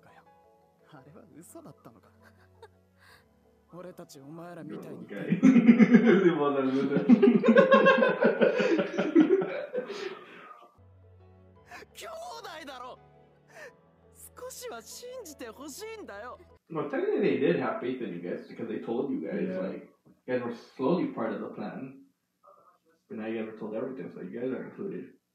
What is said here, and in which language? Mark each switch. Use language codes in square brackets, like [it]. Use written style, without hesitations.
[en] I don't know, right? I don't know, right? [ja] 俺たちお前らみたいに。でもなんだ。兄弟だろ。少しは信じてほしいんだよ。 [en] まあ、technically they did have faith in you guys because they told you guys like you guys were slowly part of the plan. But now you guys were told everything, so you guys are included.